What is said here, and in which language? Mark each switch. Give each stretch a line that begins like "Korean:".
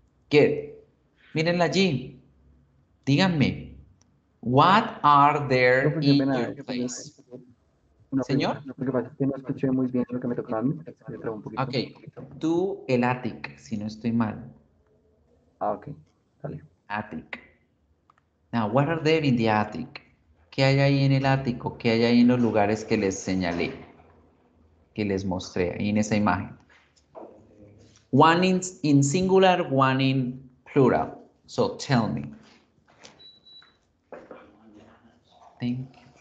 English: Good.
Spanish: Mírenla allí. Díganme,
English: what are there in your place? Señor,
Spanish: lo que pasa es que no escuché muy bien lo que me tocaba a mí. Un poquito. Okay, tú el attic, si no estoy mal. Ah, okay, dale.
English: Attic. Now, what are there in the attic?
Spanish: ¿Qué hay ahí en el ático? ¿Qué hay ahí en los lugares que les señalé? Que les mostré ahí en esa imagen.
English: One in singular, one in plural. So tell me. Thank you.